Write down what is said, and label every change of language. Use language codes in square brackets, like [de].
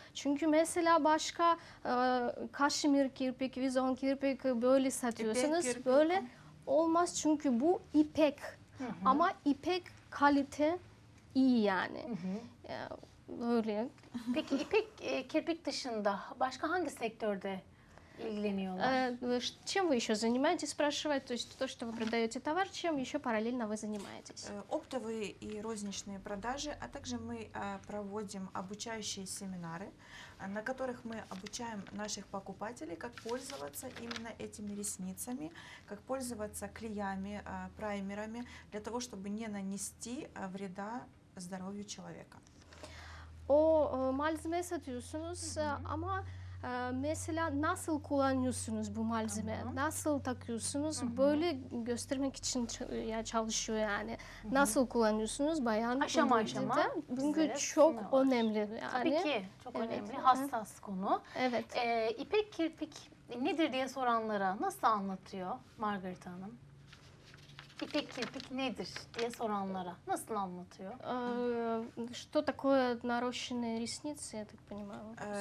[tr] Çünkü mesela başka kaşmir kirpik, vizon kirpik böyle satıyorsunuz. Böyle olmaz çünkü bu ipek. Ama ipek kalite iyi yani. Böyle. Peki ipek kirpik dışında başka hangi sektörde Ильиниолаш. [ru] Чем вы еще занимаетесь, спрашивает, то есть то, что вы продаете товар, чем еще параллельно вы занимаетесь? Оптовые и розничные продажи, а также мы проводим обучающие семинары, на которых мы обучаем наших покупателей, как пользоваться именно этими ресницами, как пользоваться клеями, праймерами, для того, чтобы не нанести вреда здоровью человека. [tr] O malzeme satıyorsunuz ama mesela nasıl kullanıyorsunuz bu malzeme? Tamam. Nasıl takıyorsunuz? Hı-hı. Böyle göstermek için çalışıyor yani. Hı-hı. Nasıl kullanıyorsunuz bayan? Aşama aşama. Çünkü çok önemli yani. Tabii ki çok önemli. Hassas konu. Evet. İpek kirpik nedir diye soranlara nasıl anlatıyor Margaret Hanım? İpek kirpik nedir diye soranlara nasıl anlatıyor? [ru] Что такое нарощенные ресницы, я так понимаю.